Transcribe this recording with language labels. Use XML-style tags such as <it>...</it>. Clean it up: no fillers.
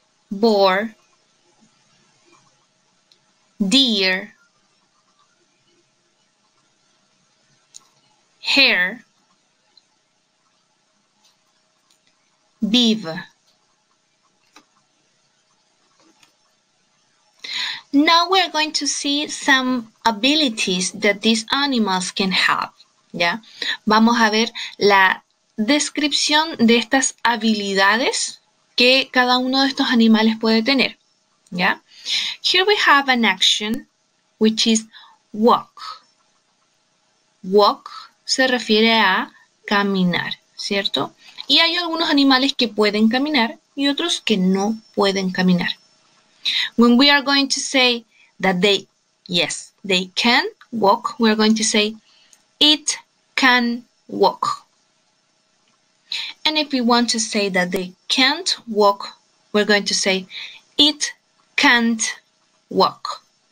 <en>boar, deer, hare, beaver. Now we're going to see some abilities that these animals can have.</en> <es>¿Ya? Vamos a ver la descripción de estas habilidades que cada uno de estos animales puede tener. ¿Ya?</es> <en>Here we have an action, which is walk.</en> <es>Walk se refiere a caminar, ¿cierto? Y hay algunos animales que pueden caminar y otros que no pueden caminar.</es> <en>When we are going to say that they, yes, they can walk, we are going to say it can walk. And if we want to say that they can't walk, we're going to say it can't walk.</en>